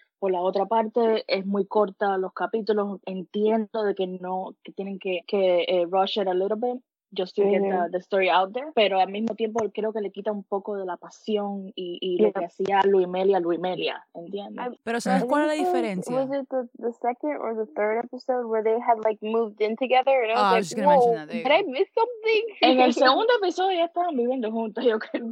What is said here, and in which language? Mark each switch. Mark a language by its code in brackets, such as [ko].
[es] Por la otra parte, es muy corta los capítulos. Entiendo de que no, que tienen que [en] rush it a little bit just to get the story out there. [es] Pero al mismo tiempo creo que le quita un poco de la pasión y lo que hacía Luimelia, ¿entiendes? Pero ¿sabes cuál es la diferencia? [en] Was it the second or the third episode where they had like moved in together? And I was just gonna mention that. Did I miss something? [es] En el segundo episodio ya estaban viviendo juntos, yo creo.